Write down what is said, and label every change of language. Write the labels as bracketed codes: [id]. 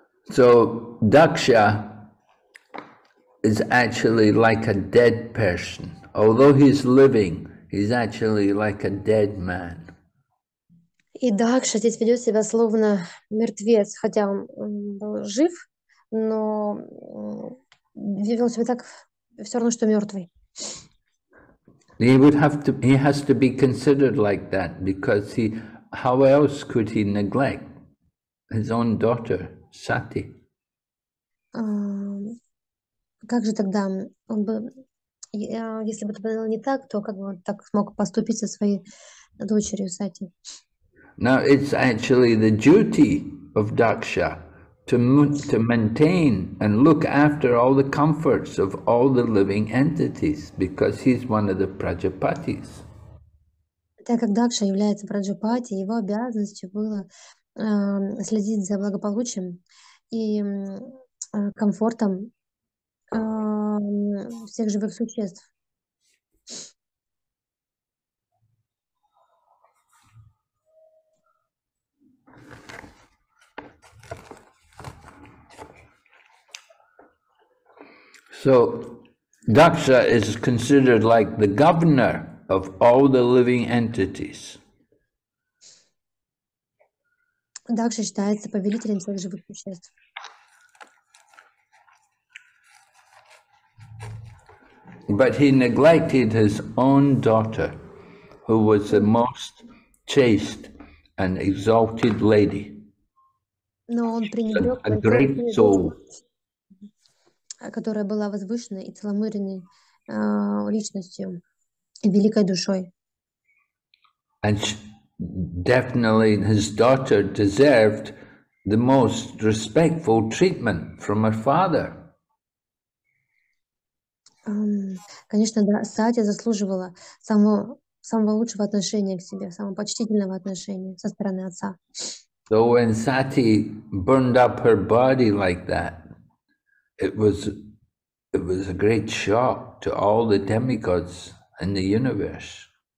[en] So Daksha is actually like a dead person. Although he's living, he's actually like a dead man. [ru] И Дакша здесь ведет себя словно мертвец, хотя он был жив, но вел себя так. Все равно, что мертвый. [en] He has to be considered like that because how else could he neglect his own daughter, Sati? [ru] Как же тогда он бы, если бы это было не так, то как бы он так смог поступить со своей дочерью Сати? [en] Now it's actually the duty of Daksha to maintain and look after all the comforts of all the living entities, because he's one of the Prajapatis. [ru] Так как Дакша является Праджапати, его обязанностью было следить за благополучием и комфортом всех живых существ. [en] So Daksha is considered like the governor of all the living entities. [ru] Дакша считается повелителем всех живых существ. [en] But he neglected his own daughter, who was the most chaste and exalted lady. [ru] Но он пренебрег [en] a great soul. [ru] Которая была возвышенной и целомудренной личностью и великой душой. [en] And definitely his daughter deserved the most respectful treatment from her father. [ru] Конечно, да, Сати заслуживала самого лучшего отношения к себе, самого почтительного отношения со стороны отца. [en] So when Sati burned up her body like that, It was a great shock to all the demigods in the universe.